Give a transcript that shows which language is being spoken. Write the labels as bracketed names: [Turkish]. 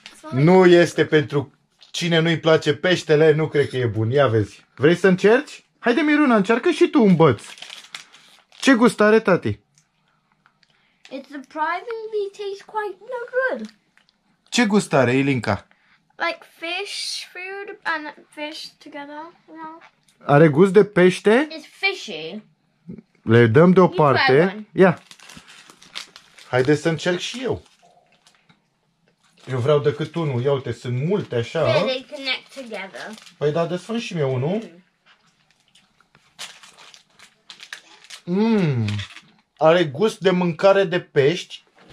[Romanian] Nu este pentru cine nu-i place peștele, nu cred că e bun. Ia vezi. Vrei să încerci? Haide, Miruna, încearcă și tu un băț. Ce gust are, tati? [English] It surprisingly tastes quite not good. [Romanian] Ce gust are, Ilinca? [English] Like fish food and fish together, you know? [Romanian] Are gust de pește? [English] It's fishy. [Romanian] Le dăm deoparte. Ia. Haide să încerc și eu. Eu vreau decât unul. Ia uite, sunt multe așa. [English] Yeah, they connect together. [Romanian] Păi da, desfă-mi și mie unul. Are gust de mâncare de pești.